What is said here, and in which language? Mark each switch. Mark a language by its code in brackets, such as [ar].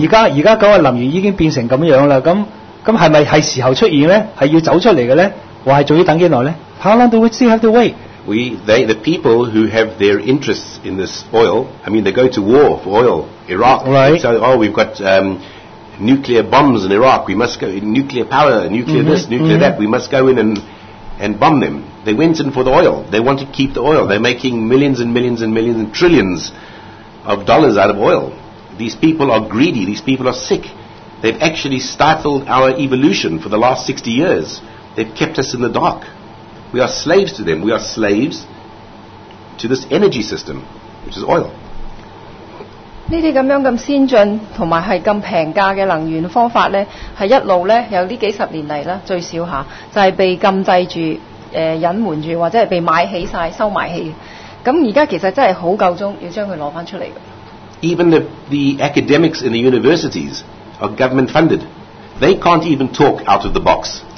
[zh] 現在的能源已經變成這樣了，那是不是時候出現呢？是要走出來的呢？還是還要等多久呢？ [en] How long do we still have to wait? The people who have their interests in this oil, I mean, they go to war for oil, Iraq. Right. So, oh, we've got nuclear bombs in Iraq. We must go in nuclear power, nuclear mm-hmm. this, nuclear mm-hmm. that. We must go in and bomb them. They went in for the oil. They want to keep the oil. They're making millions and millions and millions and trillions of dollars out of oil. These people are greedy. These people are sick. They've actually stifled our evolution for the last 60 years. They've kept us in the dark. We are slaves to them. We are slaves to this energy system, which is oil. [zh] 這些這麼先進和這麼平價的能源方法，是一直由這幾十年來最少就是被禁制住、隱瞞住或者被買起、收起。現在其實真的很夠鐘要將它拿出來。 [en] Even the academics in the universities are government funded. They can't even talk out of the box.